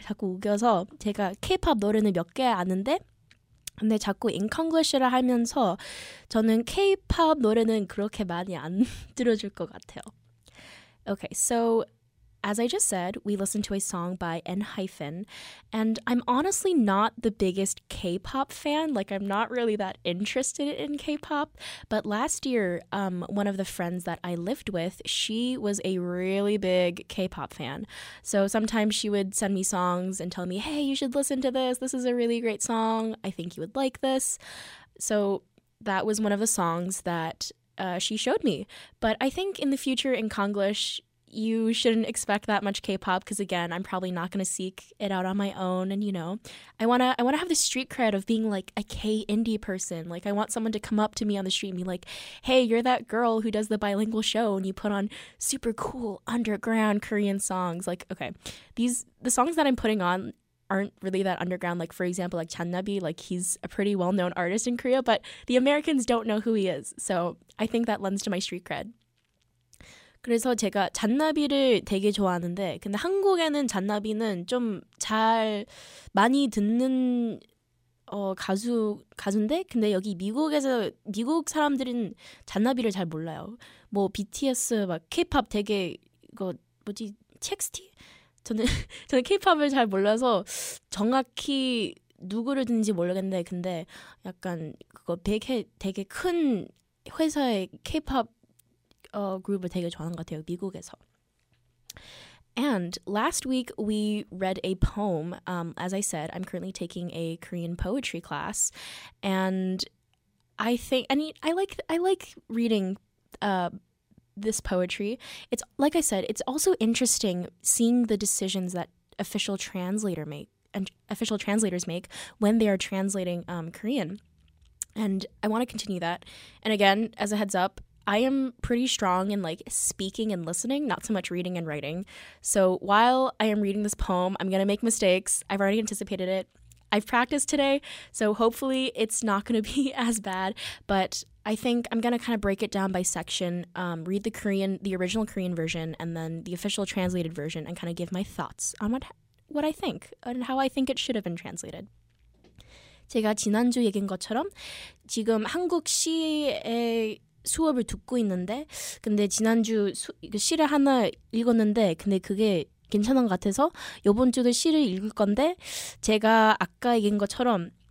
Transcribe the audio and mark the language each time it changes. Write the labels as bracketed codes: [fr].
[ko] 자꾸 우겨서 제가 K-pop 노래는 몇 개 아는데 근데 자꾸 인컨글리시를 하면서 저는 K-pop 노래는 그렇게 많이 안 들어줄 것 같아요. [en] Okay, so as I just said, we listened to a song by Enhyphen, and I'm honestly not the biggest K-pop fan. Like, I'm not really that interested in K-pop. But last year, one of the friends that I lived with, she was a really big K-pop fan. So sometimes she would send me songs and tell me, hey, you should listen to this. This is a really great song. I think you would like this. So that was one of the songs that she showed me. But I think in the future, in Konglish, you shouldn't expect that much K-pop because, again, I'm probably not going to seek it out on my own. And, you know, I want to have the street cred of being like a K-indie person. Like, I want someone to come up to me on the street and be like, hey, you're that girl who does the bilingual show and you put on super cool underground Korean songs. Like, okay, the songs that I'm putting on aren't really that underground. Like, for example, like Chanabi, like he's a pretty well-known artist in Korea, but the Americans don't know who he is. So I think that lends to my street cred. [ko] 그래서 제가 잔나비를 되게 좋아하는데 근데 한국에는 잔나비는 좀 잘 많이 듣는 가수인데 근데 여기 미국에서 미국 사람들은 잔나비를 잘 몰라요. 뭐 BTS 막 K-pop 되게 이거 뭐지? TXT? 저는 K-pop을 잘 몰라서 정확히 누구를 듣는지 모르겠는데 근데 약간 그거 되게 큰 회사의 K-pop 그룹을 되게 좋아하는 것 같아요, 미국에서. [en] And last week we read a poem. As I said, I'm currently taking a Korean poetry class, and I like reading this poetry. It's like I said, it's also interesting seeing the decisions that official translators make when they are translating Korean. And I want to continue that. And again, as a heads up, I am pretty strong in, like, speaking and listening, not so much reading and writing. So while I am reading this poem, I'm going to make mistakes. I've already anticipated it. I've practiced today, so hopefully it's not going to be as bad. But I think I'm going to kind of break it down by section, read the Korean, the original Korean version, and then the official translated version, and kind of give my thoughts on what I think and how I think it should have been translated. [ko] 제가 지난주 얘기한 것처럼 지금 한국 시의 수업을 듣고 있는데 근데 지난주 시를 하나 읽었는데 근데 그게 괜찮은 것 같아서 이번 주도 시를 읽을 건데 제가 아까 얘기한 것처럼